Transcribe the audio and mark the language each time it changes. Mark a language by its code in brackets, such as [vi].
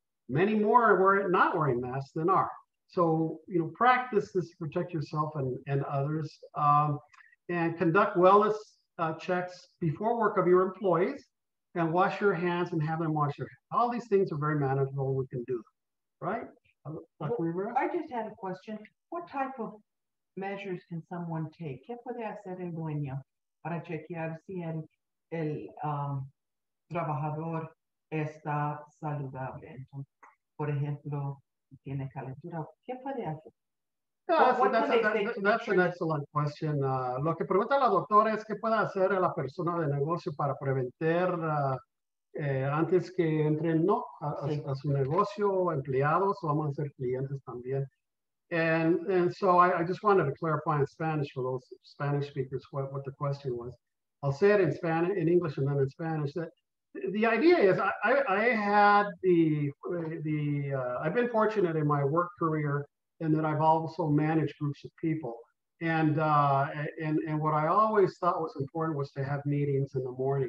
[en] Many more are not wearing masks than are. So, you know, practice this to protect yourself and others. And conduct wellness checks before work of your employees. And wash your hands and have them wash your hands. All these things are very manageable. We can do them, right? Well, I just had a question. What type of measures can someone take? [es] ¿Qué puede hacer el dueño para chequear si el trabajador está saludable? Entonces, por ejemplo, tiene calentura. ¿Qué puede hacer? [en] That's an excellent question. [es] Lo que pregunta la doctora es qué puede hacer la persona de negocio para prevenir antes que entren no a su negocio, empleados, vamos a ser clientes también. [en] And so I just wanted to clarify in Spanish for those Spanish speakers what the question was. I'll say it in Spanish, in English, and then in Spanish. That the idea is I've been fortunate in my work career. And that I've also managed groups of people. And what I always thought was important was to have meetings in the morning.